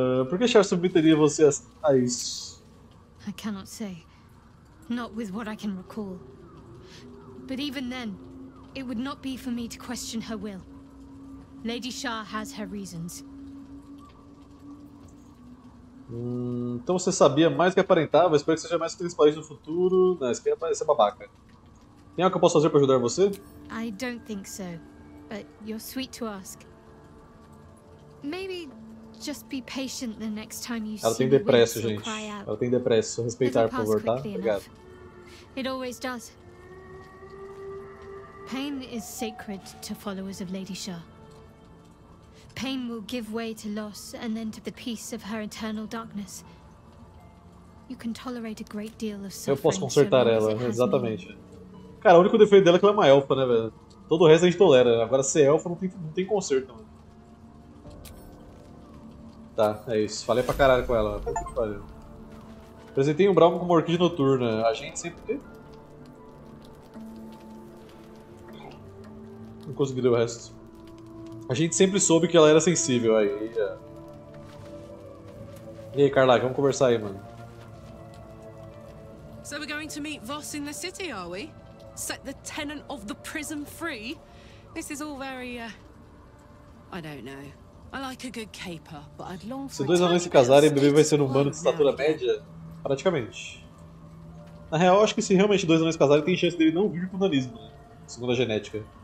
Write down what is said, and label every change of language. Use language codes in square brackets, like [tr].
[pt] Por que Char submeteria você a isso? [en] I cannot say. Not with what I can recall. But even then, it would not be for me to question her will. Lady Shah has her reasons. [pt] Então você sabia mais do que aparentava. Espero que seja mais transparente no futuro. Não, isso aqui é parecer babaca. Tem algo que eu posso fazer para ajudar você? [en] I don't think so. But you're sweet to ask. Maybe just be patient the next time you see. [pt] Ela tem depressa, gente. Ela tem depressa. Respeitar, por favor, tá? Obrigado. [en] It always does. Pain is sacred to followers of Lady Shah. Pain will give way to loss and then to the peace of her eternal darkness. You can tolerate a great deal of suffering. [pt] Eu posso consertar ela, exatamente. Cara, o único defeito dela é que ela é uma elfa, né, velho? Todo o resto a gente tolera. Agora ser elfa não tem conserto, mano. Tá, é isso. Falei pra caralho com ela. Apresentei um Brown como orquídea noturna. A gente sempre... Não consegui ler o resto. A gente sempre soube que ela era sensível. Aí, e aí, Carla, vamos conversar aí, mano. [en] So we're going to meet Voss in the city, are we? Set the tenant of the prison free? This is all very, I don't know. I like a good caper, but I'd long for. [pt] Se dois anões se casarem, o bebê vai ser um humano de estatura média? Praticamente. Na real, acho que se realmente dois anões casarem, tem chance dele não vir pro nanismo, né? Segundo a genética.